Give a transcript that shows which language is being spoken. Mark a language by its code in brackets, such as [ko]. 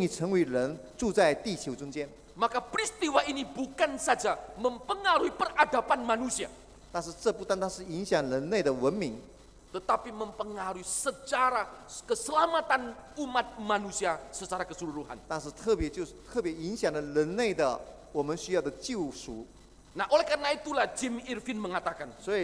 [zh] 但是道成肉身，他愿意成为人，住在地球中间。 [id] Maka peristiwa ini bukan saja mempengaruhi peradaban manusia. [zh] 但是这不单单是影响人类的文明。 [id] Tetapi mempengaruhi sejarah keselamatan umat manusia secara keseluruhan. [zh] 但是特别就是特别影响了人类的我们需要的救赎。 [id] Nah, oleh karena itulah Jim Irvin mengatakan.